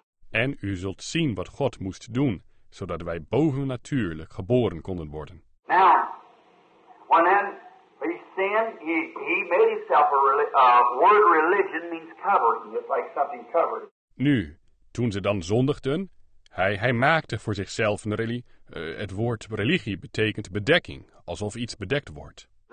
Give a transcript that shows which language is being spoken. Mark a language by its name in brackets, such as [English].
[Dutch] En u zult zien wat God moest doen, zodat wij bovennatuurlijk geboren konden worden. [English] Now, when then he sinned, he made himself a word religion means covering, just like something covered. [Dutch] Nu, toen ze dan zondigden, hij maakte voor zichzelf een religie. Het woord religie betekent bedekking, alsof iets bedekt wordt.